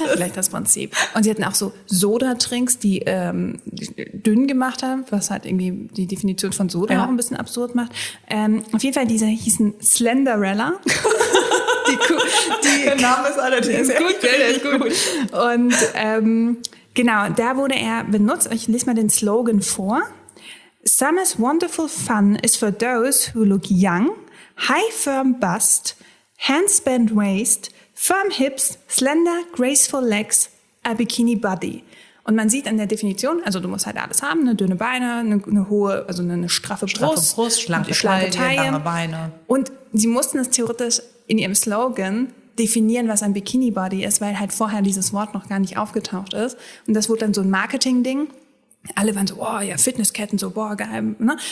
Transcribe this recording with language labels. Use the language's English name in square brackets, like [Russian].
[German] Das war vielleicht das Prinzip. Und sie hatten auch so Soda-Trinks, die dünn gemacht haben, was halt irgendwie die Definition von Soda auch ein bisschen absurd macht. Auf jeden Fall, diese hießen Slenderella. Der Name ist allerdings sehr gut. Der ist gut. Und genau, da wurde er benutzt. Ich lese mal den Slogan vor. [English] Summer's wonderful fun is for those who look young, high firm bust, handspan waist, firm hips, slender, graceful legs, a bikini body. [German] Und man sieht an der Definition, also du musst halt alles haben, eine dünne Beine, eine hohe, also eine straffe Brust, schlanke Taille, lange Beine. Und sie mussten das theoretisch in ihrem Slogan definieren, was ein Bikini Body ist, weil halt vorher dieses Wort noch gar nicht aufgetaucht ist. Und das wurde dann so ein Marketing-Ding. Alle waren so, oh ja, Fitnessketten, so, boah, geil. Ne?